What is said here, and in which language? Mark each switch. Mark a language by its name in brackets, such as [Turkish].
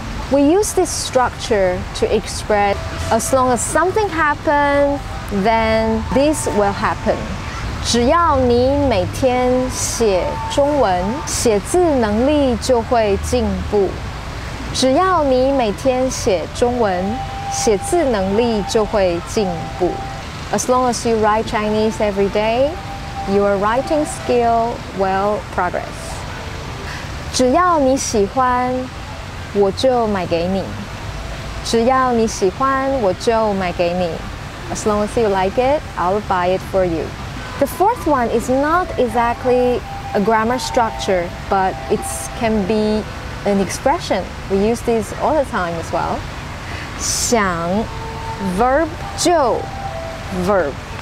[English] We use this structure to express as long as something happens, then this will happen. [Chinese] 只要你每天写中文，写字能力就会进步。只要你每天写中文，写字能力就会进步。 [English] As long as you write Chinese every day, your writing skill will progress. [Chinese] 只要你喜欢，我就买给你。只要你喜欢，我就买给你。 [English] As long as you like it, I'll buy it for you. The fourth one is not exactly a grammar structure, but it can be an expression. We use this all the time as well. 想 verb 就 verb.